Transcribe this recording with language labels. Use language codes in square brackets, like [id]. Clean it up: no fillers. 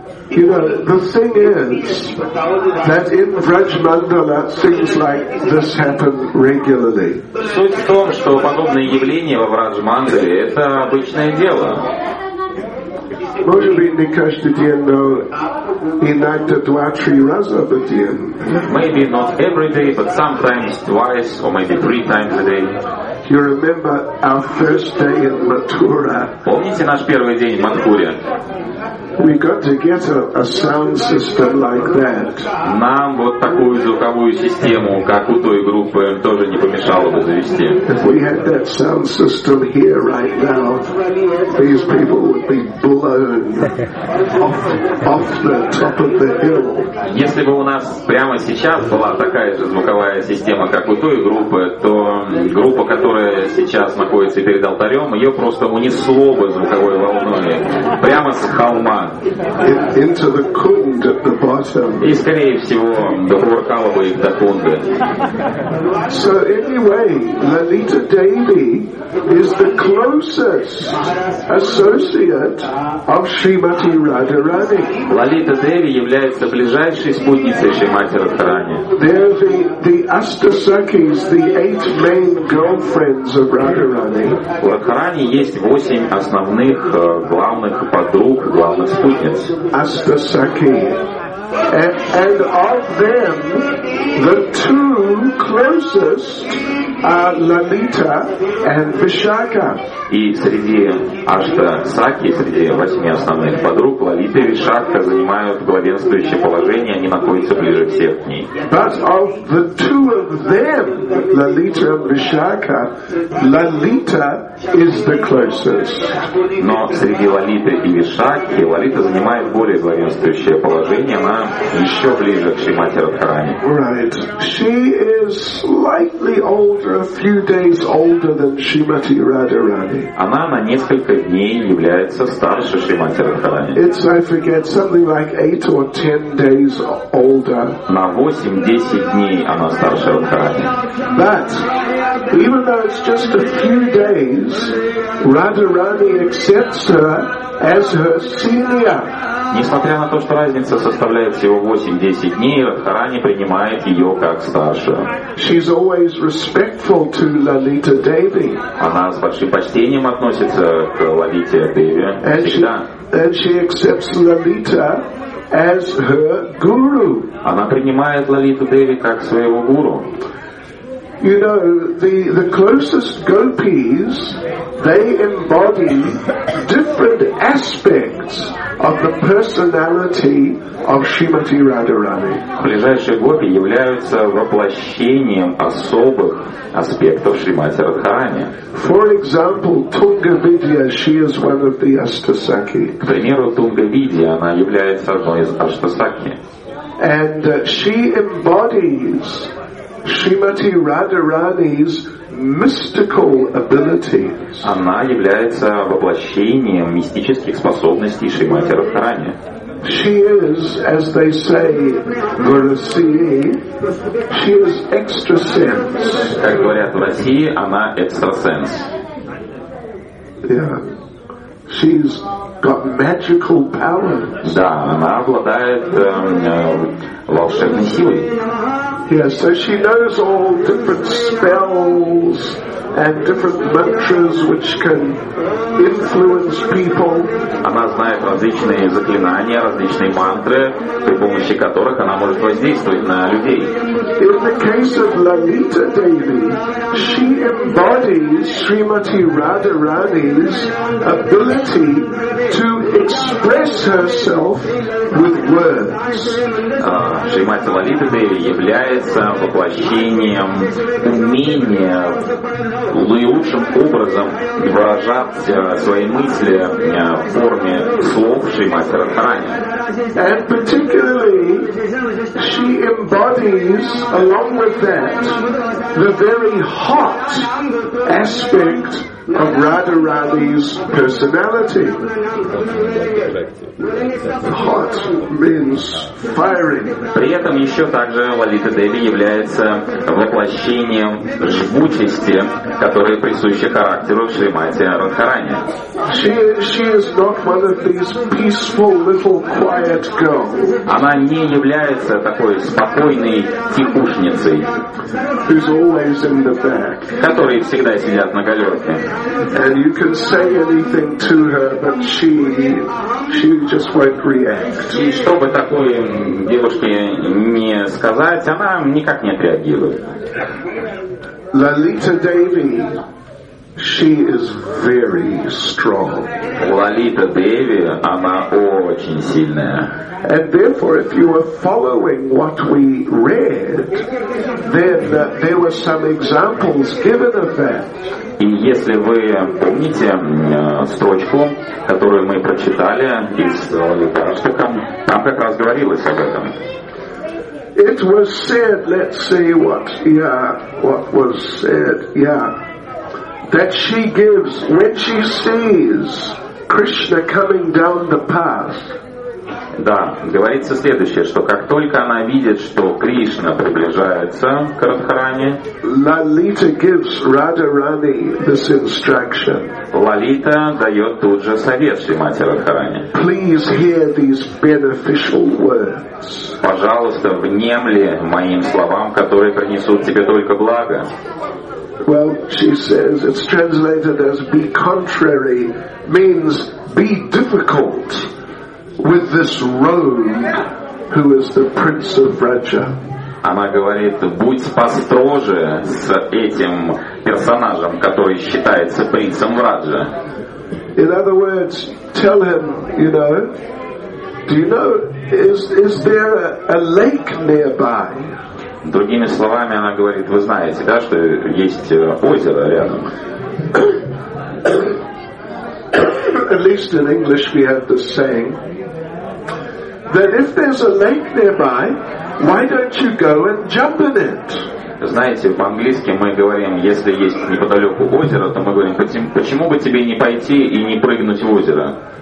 [en] You know, the thing is that in Vraj Mandala things like this happen regularly. [ru] Суть в том, что подобные явления во Врадж Мандале — это обычное дело. Может быть, не каждый день, но иногда 2-3 раза в день. [en] Maybe not every day, but sometimes twice or maybe 3 times a day. You remember our first day in Mathura? [ru] Помните наш первый день в Матхуре? [en] We got to get a sound system like that. [ru] Нам вот такую звуковую систему, как у той группы, тоже не помешало бы завести. [en] If we had that sound system here right now, these people would be blown off the top of the hill. [ru] Если бы у нас прямо сейчас была такая же звуковая система, как у той группы, то группа, которая сейчас находится перед алтарем, ее просто унесло бы звуковой волной прямо с холма. [en] Into the Kund at the bottom. [ru] И, скорее всего, доворкало бы их до Кунды. [en] So anyway, Lalita Devi is the closest associate of Shrimati Radharani. [ru] Лалита Деви является ближайшей спутницей Шримати Радхарани. [en] They're the Astasakis, the eight main girlfriends of Radharani. [ru] У Радхарани есть восемь основных главных подруг, главных спутниц. [en] Astasaki. And of them, the two closest are Lalita and Vishakha. [ru] И среди Аштасаки, среди восьми основных подруг, Лалита и Вишакха занимают главенствующее положение, они находятся ближе всех к ней. [en] But of the two of them, Lalita and Vishakha, Lalita is the closest. [ru] Но среди Лалиты и Вишакхи Лалита занимает более главенствующее положение, она еще ближе к Шримати Радхарани. [en] Right. She is slightly older, a few days older than Shrimati Radharani. [ru] Она на несколько дней является старше Шримати Радхарани. [en] It's, I forget, something like 8 or 10 days older. [ru] На 8-10 дней она старше Радхарани. [en] But even though it's just a few days, Radharani accepts her as her senior. [ru] Несмотря на то, что разница составляет всего 8-10 дней, Радхарани принимает ее как старшую. [en] She's always respectful to Lalita Devi. [ru] Она с большим почтением относится к Лалите Деви. Всегда. [en] And she accepts Lalita as her guru. [ru] Она принимает Лалиту Деви как своего гуру. [en] You know, the closest gopis, they embody different aspects of the personality of Shrimati Radharani. [ru] Ближайшие гопи являются воплощением особых аспектов Шримати Радхарани. [en] For example, Tungavidya, she is one of the Astasaki. [ru] К примеру, Тунгавидья, она является одной из Астасаки. [en] And she embodies Shrimati Radharani's mystical abilities. [ru] Она является воплощением мистических способностей Шримати Радхарани. [en] She is, as they say, Varasini. She is extrasense. [ru] Как говорят в России, она экстрасенс. [en] Yeah. She's got magical powers. [ru] Да, она обладает волшебной силой. [en] Yeah, so she knows all different spells and different mantras which can influence people. [ru] Она знает различные заклинания, различные мантры, при помощи которых она может воздействовать на людей. [en] In the case of Lalita Devi, she embodies Shrimati Radharani's ability to express herself with words. [ru] Шримати Лалита Деви является воплощением умения наилучшим образом выражать свои мысли в форме слов Шримати Радхарани. [en] And particularly she embodies, along with that, the very hot aspect of Radharani's personality. Hot means fiery. [ru] При этом еще также Лалита Деви является воплощением жгучести, которая присуща характеру Шримати Радхарани. [en] She is not one of these peaceful little quiet girls. [ru] Она не является такой спокойной тихушницей, [en] who's always in the back, [ru] которые всегда сидят на галерке. [en] And you can say anything to her, but she just won't react. [ru] И чтобы такой девушке не сказать, она никак не отреагирует. [en] Lalita Devi She is very strong. [ru] Лолита Деви, она очень сильная. [en] And therefore, if you were following what we read, then there were some examples given of that. [ru] И если вы помните строчку, которую мы прочитали из Лолитарштука, там как раз говорилось об этом. [en] It was said, let's see what was said, that she gives, when she sees Krishna coming down the path. [ru] Да, говорится следующее, что как только она видит, что Кришна приближается к Радхарани, [en] Lalita gives Radharani this instruction. [ru] Лолита дает тут же совет Шримати Радхарани. [en] Please hear these beneficial words. [ru] Пожалуйста, внемли моим словам, которые принесут тебе только благо. [en] Well, she says, it's translated as be contrary means be difficult with this rogue who is the prince of Raja. [ru] Она говорит, будь построже с этим персонажем, который считается принцем Раджа. [en] In other words, tell him, you know, do you know, is there a lake nearby? [ru] Другими словами, она говорит, вы знаете, да, что есть озеро рядом. [en] At least in English we have this saying that if there's a lake nearby, why don't you go and jump in it? [ru] Знаете, по-английски мы говорим, если есть неподалеку озеро, то мы говорим, почему бы тебе не пойти и не прыгнуть в озеро?